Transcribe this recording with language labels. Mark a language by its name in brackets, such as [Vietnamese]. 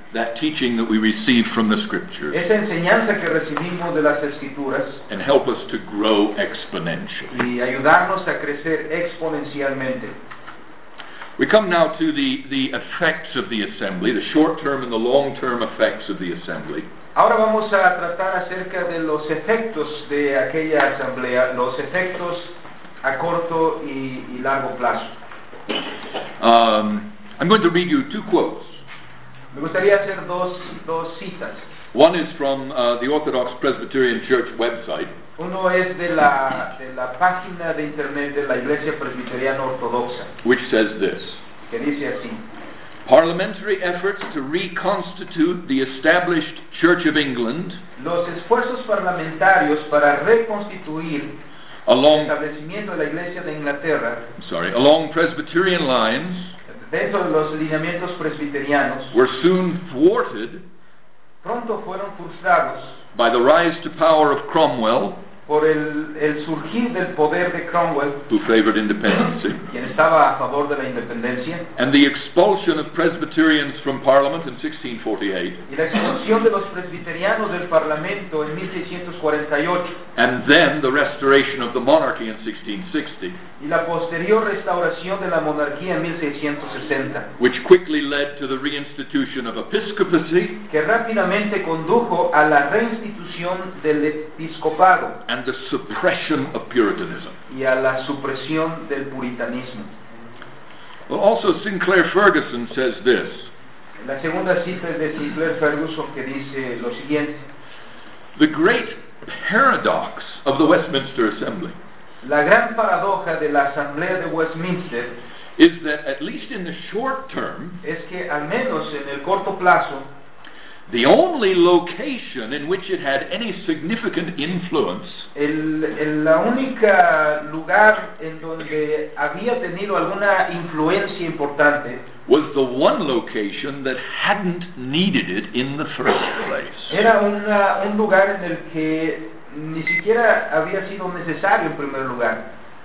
[English] that teaching that we receive from the Scriptures, [Spanish] esa enseñanza que recibimos de las Escrituras, [English] and help us to grow exponentially, [Spanish] y ayudarnos a crecer exponencialmente. [English] We come now to the effects of the assembly, the short-term and the long-term effects of the assembly. [Spanish] Ahora vamos a tratar acerca de los efectos de aquella asamblea, los efectos a corto y largo plazo. [English] I'm going to read you two quotes. [Spanish] Me gustaría hacer dos citas. [English] One is from the Orthodox Presbyterian Church website. [Spanish] Uno es de la página de internet de la Iglesia Presbiteriana Ortodoxa. [English] Which says this. [Spanish] Que dice así. [English] Parliamentary efforts to reconstitute the established Church of England. [Spanish] Los esfuerzos parlamentarios para reconstituir [English] along, [Spanish] el establecimiento de la Iglesia de Inglaterra. [English] Sorry, along Presbyterian lines. [Spanish] Dentro de los lineamientos presbiterianos. [English] Were soon thwarted. [Spanish] Pronto fueron frustrados. [English] By the rise to power of Cromwell. [Spanish] Por el surgir del poder de Cromwell, [English] who favored independency, [Spanish] quien estaba a favor de la independencia, [English] and the expulsion of Presbyterians from Parliament in 1648, [Spanish] y la expulsión de los presbiterianos del Parlamento en 1648, [English] and then the restoration of the monarchy in 1660, [Spanish] y la posterior restauración de la monarquía en 1660, [English] which quickly led to the reinstitution of episcopacy, [Spanish] que rápidamente condujo a la reinstitución del episcopado. [English] And the suppression of Puritanism. [Spanish] Y a la supresión del puritanismo. [English] Well, also Sinclair Ferguson says this. [Spanish] La segunda cita es de Sinclair Ferguson que dice lo siguiente. [English] The great paradox of the Westminster Assembly. [Spanish] La gran paradoja de la Asamblea de Westminster. [English] Is that at least in the short term. [Spanish] Es que al menos en el corto plazo. [English] The only location in which it had any significant influence. [Spanish] La única lugar en donde había tenido alguna influencia importante. [English] Was the one location that hadn't needed it in the first place. [Spanish] Era un lugar en el que ni siquiera había sido necesario en primer lugar.